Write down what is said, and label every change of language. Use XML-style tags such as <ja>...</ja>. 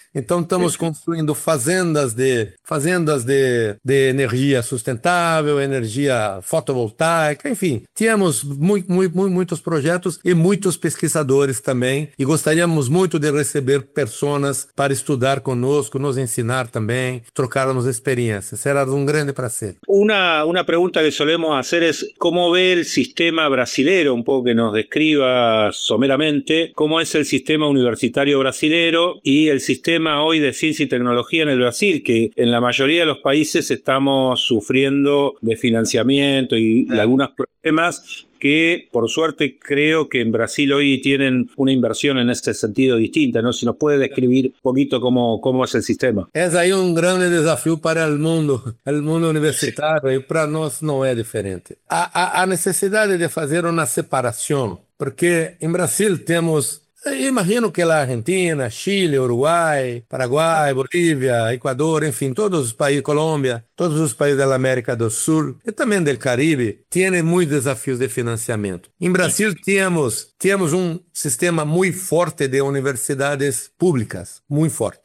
<pt>Então estamos construindo fazendas de energia sustentável, energia fotovoltaica, enfim. Tínhamos muitos projetos e muitos pesquisadores também. E gostaríamos muito de receber pessoas para estudar conosco, nos ensinar também, trocarmos experiências. Será um grande prazer. Uma pergunta que solemos fazer é como vê o sistema</pt> <es>brasileiro, um pouco que nos descreva someramente, como é o sistema universitário brasileiro e o sistema hoy de ciencia y tecnología en el Brasil, que en la mayoría de los países estamos sufriendo de financiamiento y de algunos problemas que, por suerte, creo que en Brasil hoy tienen una inversión en ese sentido distinta, ¿no? Si nos puede describir un poquito cómo es el sistema. Es ahí un gran desafío para el mundo universitario, y para nosotros no es diferente. La necesidad de hacer una separación, porque en Brasil tenemos...</es> <pt>Imagino que a Argentina, Chile, Uruguai, Paraguai, Bolívia, Equador, enfim, todos os países, Colômbia, todos os países da América do Sul e também do Caribe, têm muitos desafios de financiamento. Em Brasil, temos um sistema muito forte de universidades públicas, muito forte.</pt>